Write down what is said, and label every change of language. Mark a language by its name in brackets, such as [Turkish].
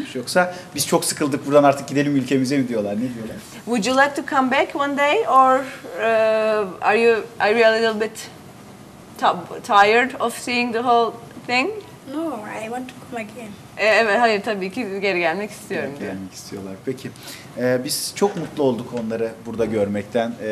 [Turkish] Yoksa biz çok sıkıldık, buradan artık gidelim ülkemize mi diyorlar, ne diyorlar? [English] Would you like to come back one day or are you a little bit tired of seeing the whole thing? No, I want to come again. [Turkish] Hayır, tabii ki geri gelmek istiyorum. Geri gelmek istiyorlar. Peki, biz çok mutlu olduk onları burada görmekten.